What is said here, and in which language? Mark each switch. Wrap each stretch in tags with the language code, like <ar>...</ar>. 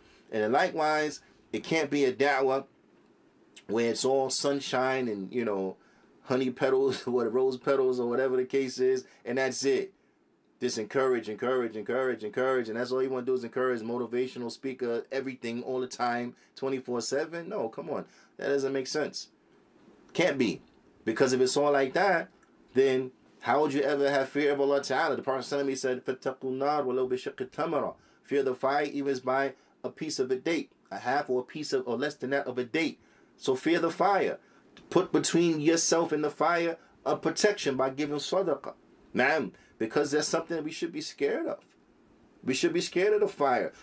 <en>And likewise, it can't be a da'wah where it's all sunshine and, you know, honey petals or rose petals or whatever the case is, and that's it. Just encourage, and that's all you want to do is encourage, motivational speaker, everything all the time, 24/7. No, come on. That doesn't make sense. Can't be. Because if it's all like that, then how would you ever have fear of Allah Ta'ala?</en> <ar>The Prophet ﷺ said, فَتَّقُوا النَّارَ وَلَوْ بِشَقِّ تَمَرَةٍ.</ar> <en>Fear the fire even by a piece of a date, a half or a piece of, or less than that of a date. So fear the fire. Put between yourself and the fire a protection by giving sadaqah. Ma'am, because there's something that we should be scared of. We should be scared of the fire.</en>